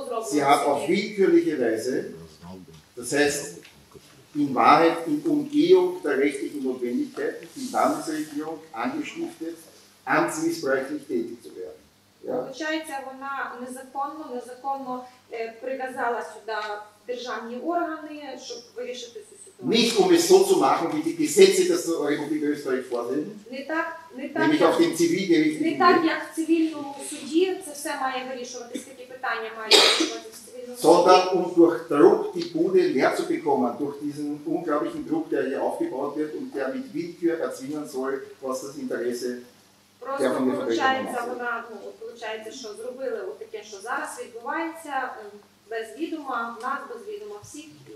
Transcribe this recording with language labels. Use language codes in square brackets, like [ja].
[de] Sie hat auf willkürliche Weise, das heißt, in Wahrheit, in Umgehung der rechtlichen Notwendigkeiten, die Landesregierung angestiftet, amtsmissbräuchlich tätig zu werden. Ja. [ru] Получается, [uk] вона незаконно приказала сюда державні органи, щоб вирішити цю ситуацію. [de] Nicht um es so zu machen, wie die Gesetze der Republik Österreich vorsehen. Nämlich auf dem Zivilgericht. [uk] Не так, як в цивільному суді це все має вирішуватися, такі питання мають вирішуватися. [de] Sondern um durch Druck die Bude leer zu bekommen, durch diesen unglaublichen Druck, der hier aufgebaut wird und der mit Willkür erzwingen soll, was das Interesse [uk] просто [de] der von mir vertreten hat. [ru] Получается, [uk] вона, ну, получается, що зробили отаке, що зараз відбувається, без відома, нас без відома всіх.